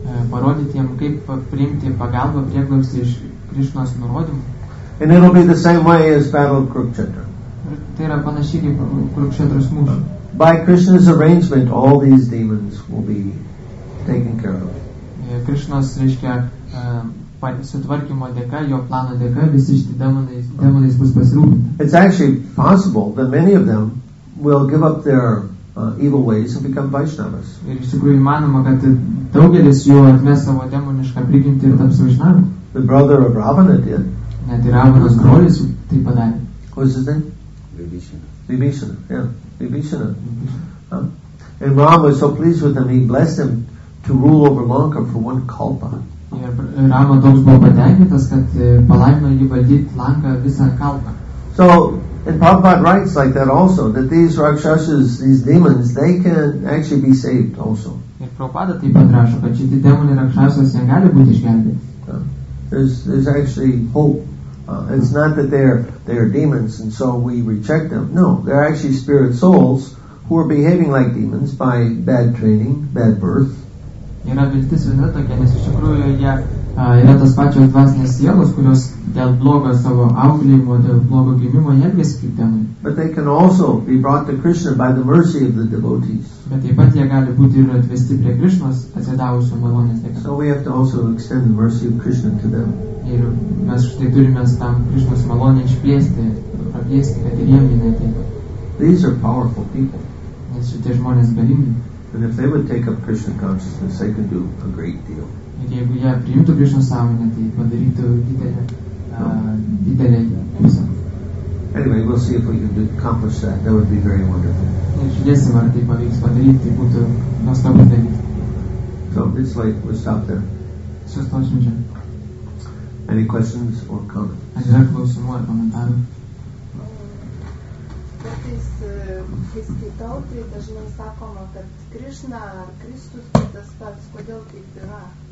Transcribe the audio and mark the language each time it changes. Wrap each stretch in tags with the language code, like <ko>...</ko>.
<lt>Parodyti jiems, kaip priimti pagalbą prieglobstį iš Krishnos nurodymų.</lt> <en>And it will be the same way as battle of Kurukshetra.</en> <lt>Tai yra panašiai kaip Kurukshetros mūšis.</lt> <en>By Krishna's arrangement, all these demons will be taken care of.</en> <lt>Krišnos, reiškia, sutvarkymo dėka, jo plano dėka, visi šitie demonais bus pasirūpinti.</lt> <en>It's actually possible that many of them will give up their evil ways and become Vaishnavas.</en> <lt>Ir iš tikrųjų įmanoma, kad daugelis jų atmes savo demonišką prigimtį ir taps Vaishnavas.</lt> <en>The brother of Ravana did.</en> <lt>Net ir Ravanos brolis tai padarė.</lt> <en>What is his name? Vibhishana. And Rama was so pleased with him, he blessed him to rule over Lanka for one kalpa.</en> <lt>Rama toks buvo patenkintas, kad palaimino jį valdyti Lanka visą kalpą.</lt> <en>So, and Prabhupada writes like that also, that these rakshasas, these demons, they can actually be saved also.</en> <lt>Ir Prabhupada taip pat rašo, kad šitie demonai rakshasas negali būti išgelbėti.</lt> <en>There's actually hope. It's not that they are demons and so we reject them. No, they're actually spirit souls who are behaving like demons by bad training, bad birth.</en> <lt>Yra viltis yra tokia, nes iš tikrųjų jie yra tas pačios dvasinės sielos, kurios dėl blogo savo auklėjimo, dėl blogo gimimo elgiasi kaip demonai.</lt> <en>But they can also be brought to Krishna by the mercy of the devotees.</en> <lt>Bet taip pat jie gali būti ir atvesti prie Krišnos atsidavusių malonės dėka.</lt> <en>So we have to also extend the mercy of Krishna to them.</en> <lt>Ir mes štai turime tam Krišnos malonę išplėsti, pakviesti, kad ir jiems jinai ateitų.</lt> <en>These are powerful people.</en> <lt>Nes šitie žmonės galingi.</lt> <en>And if they would take up Krishna consciousness, they could do a great deal.</en> <lt>Ir jeigu jie priimtų Krishna sąmonę, tai padarytų didelę visą.</lt> <en>Anyway, we'll see if we can accomplish that. That would be very wonderful.</en> <lt>Ir žiūrėsim, ar tai pavyks padaryti, tai būtų nuostabus dalykas.</lt> <en>So, this light will stop there.</en> <lt>Sustosim čia.</lt> <en>Any questions or comments?</en> <lt>Aš yra klausimų ar komentarų. Kartais, kai skaitau, tai dažnai sakoma, kad Krišna ar Kristus tai tas pats, kodėl taip yra?</lt>